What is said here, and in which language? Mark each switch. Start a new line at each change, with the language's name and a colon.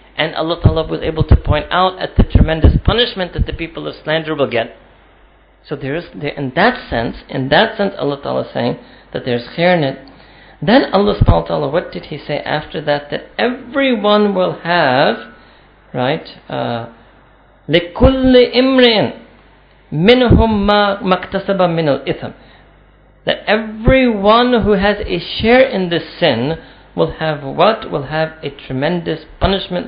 English: And Allah Ta'ala was able to point out at the tremendous punishment that the people of slander will get. So in that sense, Allah Ta'ala is saying that there's khair in it. Then Allah Subhanahu wa Ta'ala, what did He say after that? That everyone will have, right,
Arabic: لِكُلِّ إِمْرِئٍ مِنْهُمْ مَا مَكْتَسَبَ مِنَ الْإِثْمِ.
English: That everyone who has a share in this sin will have what? Will have a tremendous punishment.